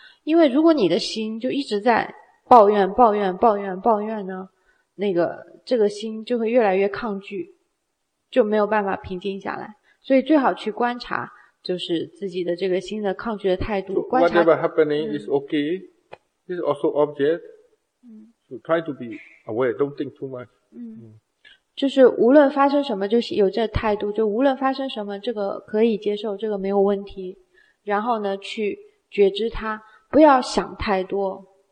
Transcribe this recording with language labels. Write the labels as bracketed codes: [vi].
[zh] 因为如果你的心就一直在抱怨抱怨抱怨抱怨呢，那个这个心就会越来越抗拒，就没有办法平静下来。所以最好去观察就是自己的这个心的抗拒的态度，观察 [en] whatever happening is okay, is also object. Try to be aware, don't think too much. [zh] 就是无论发生什么，就是有这态度，就无论发生什么，这个可以接受，这个没有问题。然后呢，去觉知它，不要想太多。